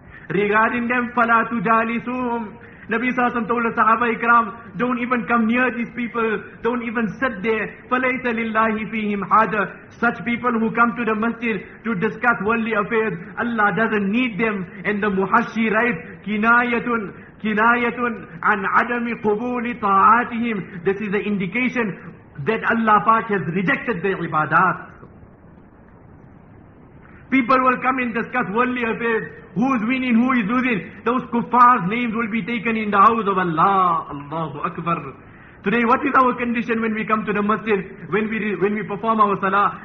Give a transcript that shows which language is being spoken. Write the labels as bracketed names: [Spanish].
[English] Regarding them, [Arabic] فَلَا تُجَالِسُهُمْ. [English] Nabi Sassam told the Sahaba Ikram, don't even come near these people. Don't even sit there. [Arabic] فَلَيْتَ لِلَّهِ فِيهِمْ حَاجَةٌ. [English] Such people who come to the masjid to discuss worldly affairs, Allah doesn't need them. And the Muhashshi writes, [Arabic] كِنَايَةٌ عَنْ عَدَمِ قُبُولِ طَاعَاتِهِمْ. [English] This is the indication that Allah Pak has rejected their ibadat. People will come and discuss worldly affairs. Who is winning, who is losing? Those kuffar's names will be taken in the house of Allah. Allahu Akbar. Today, what is our condition when we come to the masjid, when we perform our salah?